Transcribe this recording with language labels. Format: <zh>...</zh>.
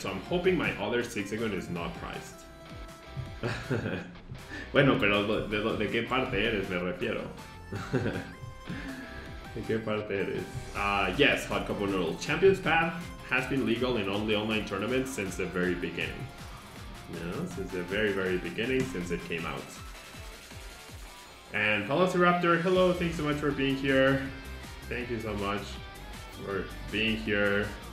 <en>So I'm hoping my other Zigzagoon is not priced.</en> <es>Bueno, pero de qué parte eres, me refiero. De qué parte eres?</es> <en>Yes, Hot Cup of Noodles. Champion's Path has been legal in only online tournaments since the very beginning. Yeah, since the very, very beginning, since it came out. And Velociraptor, hello, thanks so much for being here. Thank you so much. Or being here.</en>